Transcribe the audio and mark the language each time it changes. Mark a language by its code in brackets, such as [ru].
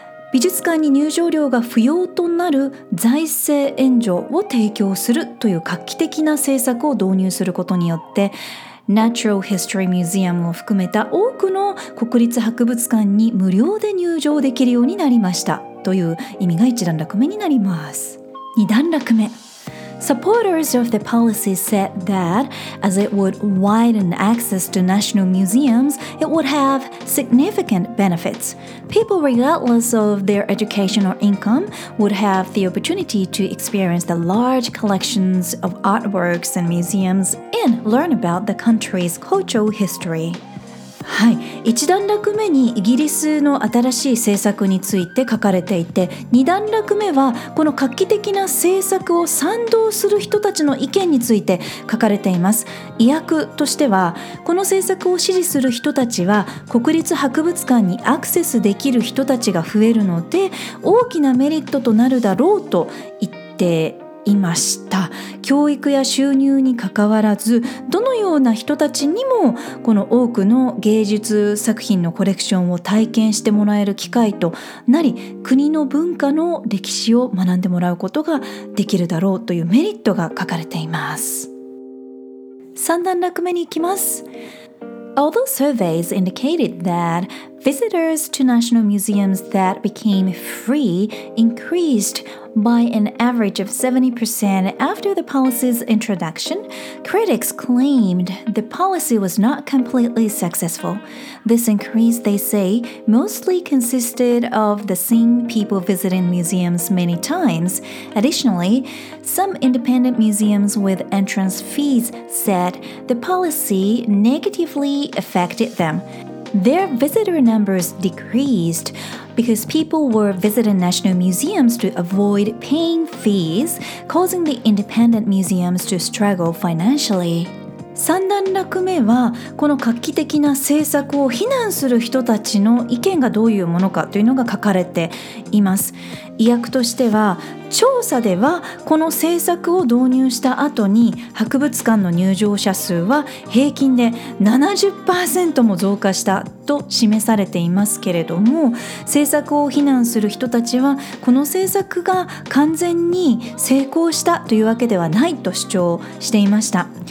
[ja] 美術館に入場料が不要となる財政援助を提供するという画期的な政策を導入することによって、 Natural History Museum を含めた多くの国立博物館に無料で入場できるようになりましたという意味が一段落目になります。二段落目。 [en] Supporters of the policy said that as it would widen access to national museums, it would have significant benefits. People, regardless of their education or income, would have the opportunity to experience the large collections of artworks and museums and learn about the country's cultural history. [ja] はい、1段落目にイギリスの新しい政策について書かれていて、2段落目はこの画期的な政策を賛同する人たちの意見について書かれています。意訳としては、この政策を支持する人たちは国立博物館にアクセスできる人たちが増えるので大きなメリットとなるだろうと言っていました。教育や収入に関わらず、どのような人たちにもこの多くの芸術作品のコレクションを体験してもらえる機会となり、国の文化の歴史を学んでもらうことができるだろうというメリットが書かれています。 3段落目に行きます。 [en] Although surveys indicated that visitors to national museums that became free increased by an average of 70% after the policy's introduction, critics claimed the policy was not completely successful. This increase, they say, mostly consisted of the same people visiting museums many times. Additionally, some independent museums with entrance fees said the policy negatively affected them. Their visitor numbers decreased because people were visiting national museums to avoid paying fees, causing the independent museums to struggle financially. [ja] 三段落目はこの画期的な政策を非難する人たちの意見がどういうものかというのが書かれています。意訳としては、調査ではこの政策を導入した後に博物館の入場者数は平均で 70% も増加したと示されていますけれども、政策を非難する人たちはこの政策が完全に成功したというわけではないと主張していました。